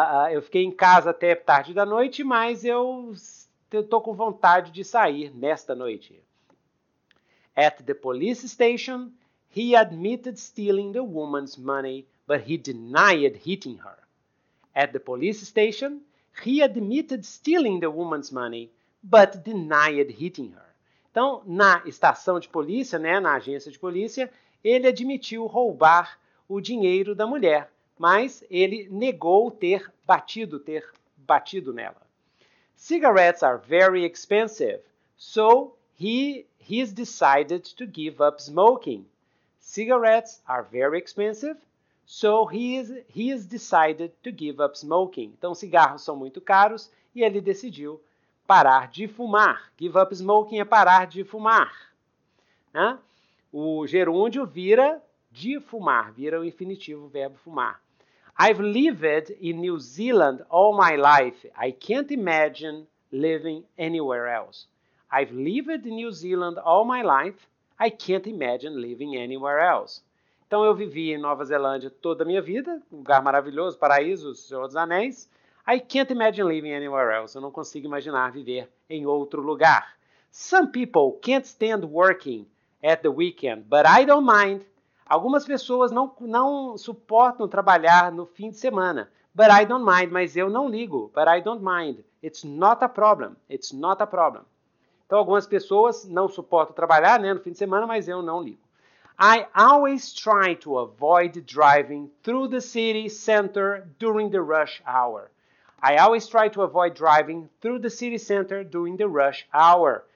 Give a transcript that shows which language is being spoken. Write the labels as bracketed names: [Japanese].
[Portuguese] Eu fiquei em casa até tarde da noite, mas eu estou com vontade de sair nesta noite. [English] At the police station, he admitted stealing the woman's money, but he denied hitting her. At the police station, he admitted stealing the woman's money, but denied hitting her. [Portuguese] Então, na estação de polícia, né, na agência de polícia, ele admitiu roubar o dinheiro da mulher, mas ele negou ter batido nela. [English] Cigarettes are very expensive, so he's decided to give up smoking. Cigarettes are very expensive. So he has decided to give up smoking. [Portuguese] Então, cigarros são muito caros e ele decidiu parar de fumar. [English] Give up smoking [Portuguese] é parar de fumar. Né? O gerúndio vira de fumar, vira o infinitivo, o verbo fumar. [English] I've lived in New Zealand all my life. I can't imagine living anywhere else. I've lived in New Zealand all my life. I can't imagine living anywhere else. [Portuguese] Então, eu vivi em Nova Zelândia toda a minha vida, um lugar maravilhoso, paraíso, Senhor dos Anéis. [English] I can't imagine living anywhere else. [Portuguese] Eu não consigo imaginar viver em outro lugar. [English] Some people can't stand working at the weekend, but I don't mind. [Portuguese] Algumas pessoas não suportam trabalhar no fim de semana. [English] But I don't mind, [Portuguese] mas eu não ligo. [English] But I don't mind. It's not a problem. It's not a problem. [Portuguese] Então, algumas pessoas não suportam trabalhar, né, no fim de semana, mas eu não ligo. [English] I always try to avoid driving through the city center during the rush hour. I always try to avoid driving through the city center during the rush hour.